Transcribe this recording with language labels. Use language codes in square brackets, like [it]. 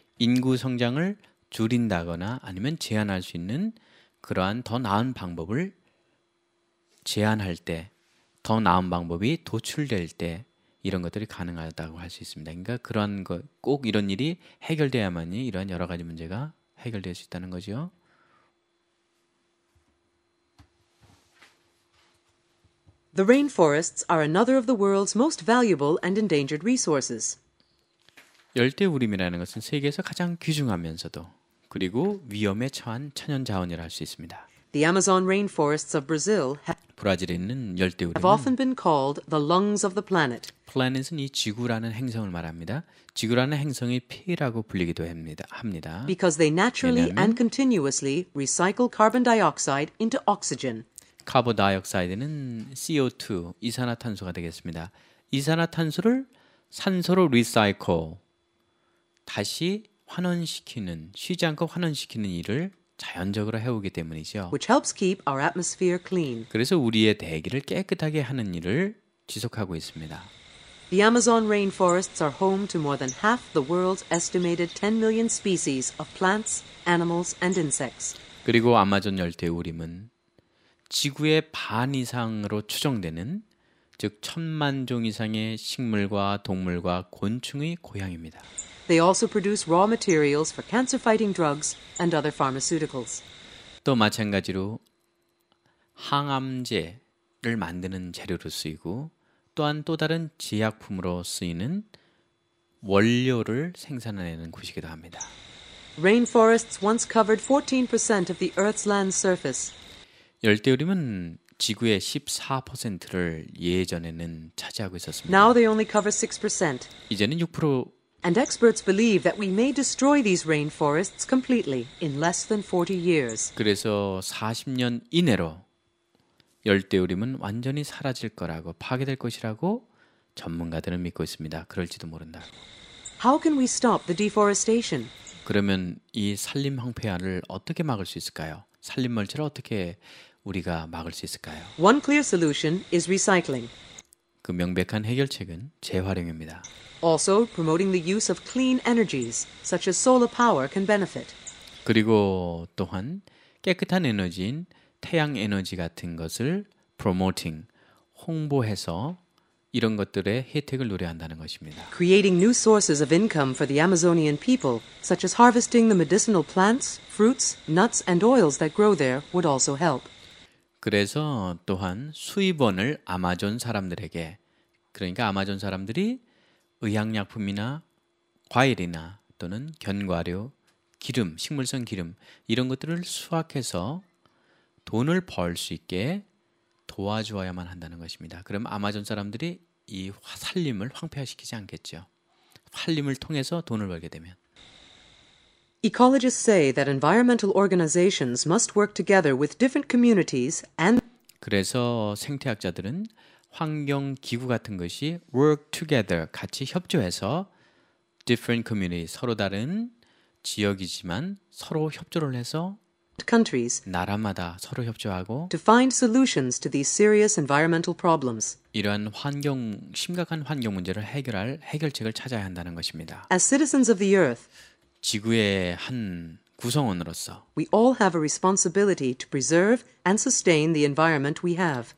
[ko] 인구 성장을 줄인다거나 아니면 제한할 수 있는 그러한 더 나은 방법을 제안할 때 더 나은 방법이 도출될 때 이런 것들이 가능하다고 할 수 있습니다. 그러니까 그러한 것 꼭 이런 일이 해결되어야만이 이러한 여러 가지 문제가 해결될 수 있다는 거죠. [en] The rainforests are another of the world's most valuable and endangered resources. [ko] 열대우림이라는 것은 세계에서 가장 귀중하면서도 그리고 위험에 처한 천연 자원이라 할 수 있습니다. [en] The Amazon rainforests of Brazil [ko] 브라질에 있는 열대우림은 [en] have often been called the lungs of the planet. [ko] 플래닛은 이 지구라는 행성을 말합니다. 지구라는 행성의 폐라고 불리기도 합니다. [en] Because they naturally and continuously recycle carbon dioxide into oxygen. [ko] 카본 다이옥사이드는 CO2, 이산화탄소가 되겠습니다. 이산화탄소를 산소로 리사이클, 다시 환원시키는, 쉬지 않고 환원시키는 일을 자연적으로 해오기 때문이죠. [en] Which helps keep our atmosphere clean. [ko] 그래서 우리의 대기를 깨끗하게 하는 일을 지속하고 있습니다. [en] The Amazon rainforests are home to more than half the world's estimated 10 million species of plants, animals, and insects. [ko] 그리고 아마존 열대우림은 지구의 반 이상으로 추정되는 즉 천만 종 이상의 식물과 동물과 곤충의 고향입니다. [en] They also produce raw materials for cancer-fighting drugs and other pharmaceuticals. [ko] 또 마찬가지로 항암제를 만드는 재료로 쓰이고 또한 또 다른 제약품으로 쓰이는 원료를 생산하는 곳이기도 합니다. [en] Rainforests once covered 14% of the Earth's land surface. [ko] 열대우림은 지구의 14%를 예전에는 차지하고 있었습니다. [en] Now they only cover 6%. [ko] 이제는 6%. [en] And experts believe that we may destroy these rainforests completely in less than 40 years. [ko] 그래서 40년 이내로 열대우림은 완전히 사라질 거라고 파괴될 것이라고 전문가들은 믿고 있습니다. 그럴지도 모른다. [en] How can we stop the deforestation? [ko] 그러면 이 산림 황폐화를 어떻게 막을 수 있을까요? 산림멸치를 어떻게 우리가 막을 수 있을까요? [en] One clear solution is recycling. [ko] 그 명백한 해결책은 재활용입니다. [en] Also, promoting the use of clean energies such as solar power can benefit. [ko] 그리고 또한 깨끗한 에너지인 태양 에너지 같은 것을 promoting, 홍보해서 이런 것들의 혜택을 노려한다는 것입니다. [en] Creating new sources of income for the Amazonian people, such as harvesting the medicinal plants, fruits, nuts, and oils that grow there, would also help. [ko] 그래서 또한 수입원을 아마존 사람들에게, 그러니까 아마존 사람들이 의약약품이나 과일이나 또는 견과류, 기름, 식물성 기름 이런 것들을 수확해서 돈을 벌 수 있게 도와주어야만 한다는 것입니다. 그럼 아마존 사람들이 이 산림을 황폐화시키지 않겠죠. 산림을 통해서 돈을 벌게 되면. [en] Ecologists say that environmental organizations must work together with different communities and [ko] 그래서 생태학자들은 환경 기구 같은 것이 [en] work together [ko] 같이 협조해서 [en] different communities [ko] 서로 다른 지역이지만 서로 협조를 해서 [en] countries [ko] 나라마다 서로 협조하고 [en] to find solutions to these serious environmental problems [ko] 이러한 환경 심각한 환경 문제를 해결할 해결책을 찾아야 한다는 것입니다. [en] As citizens of the earth [ko] 지구의 한 구성원으로서 [en] we all have a responsibility to preserve and sustain the environment we have